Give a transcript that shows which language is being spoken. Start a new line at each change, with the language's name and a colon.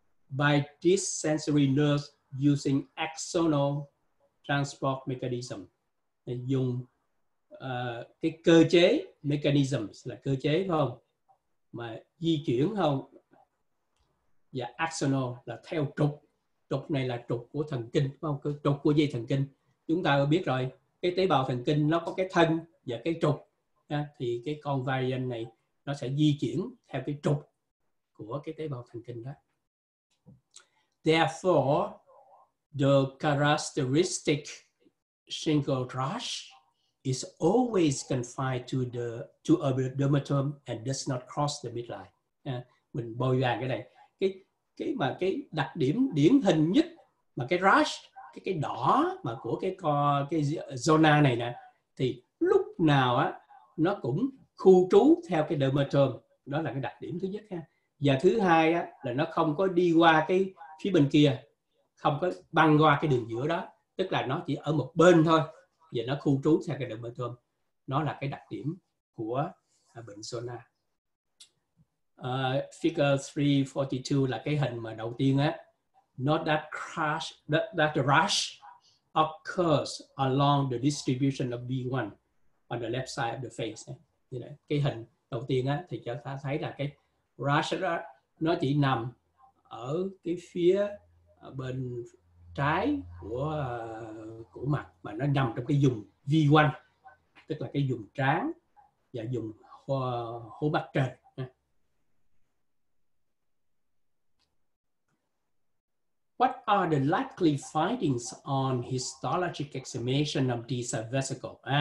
English: By this sensory nerve using axonal transport mechanism,
Vietnamese: dùng cái cơ chế mechanism là cơ chế, phải không, mà di chuyển, không, và axonal là theo trục, trục này là trục của thần kinh, phải không, trục của dây thần kinh. Chúng ta biết rồi, cái tế bào thần kinh nó có cái thân và cái trục ha, thì cái con variant này nó sẽ di chuyển theo cái trục của cái tế bào thần kinh đó.
English: Therefore, the characteristic shingle rash is always confined to a dermatome and does not cross the midline.
Vietnamese: Mình bôi vàng cái này. Cái mà cái đặc điểm điển hình nhất mà cái rash, cái đỏ mà của cái zona này nè, thì lúc nào á nó cũng khu trú theo cái dermatome. Đó là cái đặc điểm thứ nhất ha. Và thứ hai á là nó không có đi qua cái phía bên kia, không có băng qua cái đường giữa đó, tức là nó chỉ ở một bên thôi và nó khu trú theo cái dermatome. Nó là cái đặc điểm của bệnh zona. Figure 342 là cái hình mà đầu tiên á.
English: Not that crash, that rash occurs along the distribution of B1 on the left side of the face.
Vietnamese: Cái hình đầu tiên á thì cho ta thấy là cái rash đó nó chỉ nằm ở cái phía bên trái của mặt, mà nó nằm trong cái vùng V1, tức là cái vùng trán và vùng hố mặt trên.
English: What are the likely findings on histologic examination of these vesicles?